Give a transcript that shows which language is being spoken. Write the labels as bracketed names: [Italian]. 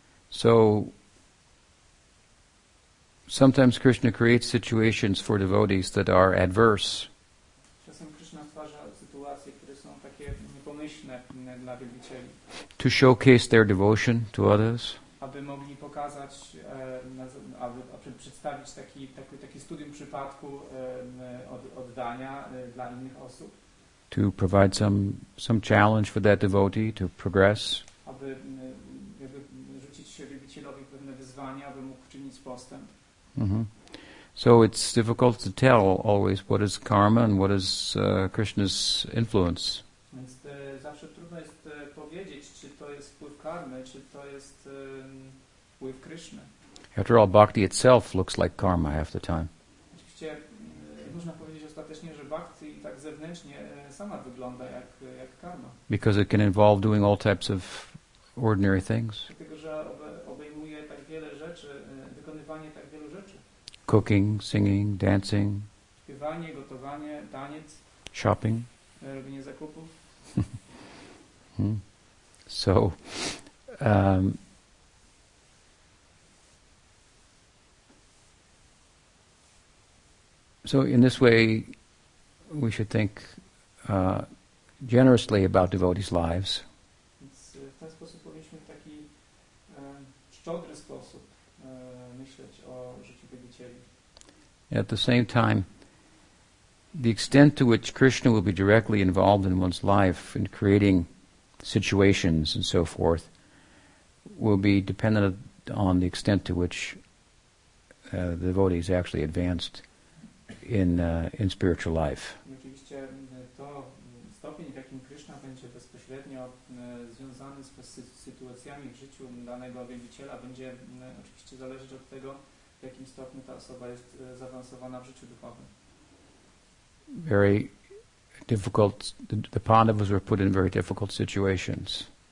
[English] So sometimes Krishna creates situations for devotees that are adverse. [Polish] Czasem Krishna stwarza sytuacje, które są takie niepomyślne dla wielbicieli. [English] To showcase their devotion to others. [Polish] Aby mogli pokazać, aby przedstawić taki studium przypadku oddania dla innych osób. [English] To provide some challenge for that devotee to progress. [Polish] Aby rzucić się wielbicielowi pewne wyzwania, aby mógł czynić postęp. Mm-hmm. [English] So it's difficult to tell always what is karma and what is Krishna's influence. [Polish] Więc zawsze trudno jest powiedzieć, czy to jest wpływ karmy, czy to jest wpływ Krishna. [English] After all, bhakti itself looks like karma half the time. [Polish] Oczywiście można powiedzieć ostatecznie, że bhakti tak zewnętrznie sama wygląda jak karma. [English] Because it can involve doing all types of ordinary things. [Polish] Dlatego, że obejmuje tak wiele rzeczy, wykonywanie tak wielu rzeczy. [English] Cooking, singing, dancing. [Polish] Śpiewanie, gotowanie, taniec. [English] Shopping. [Polish] Robienie zakupów. [English] So, so in this way, we should think generously about devotees' lives. [Polish] W ten sposób powinniśmy w taki szczodry sposób myśleć o życiu wielbicieli. [English] At the same time, the extent to which Krishna will be directly involved in one's life in creating situations and so forth will be dependent on the extent to which the devotee is actually advanced in spiritual life. [Polish] Oczywiście to stopień, w jakim Krishna będzie bezpośrednio związany z sytuacjami w życiu danego wielbiciela, będzie oczywiście zależeć od tego, w jakim stopniu ta osoba jest zaawansowana w życiu duchowym. [English] Very difficult. The Pandavas were put in very difficult situations.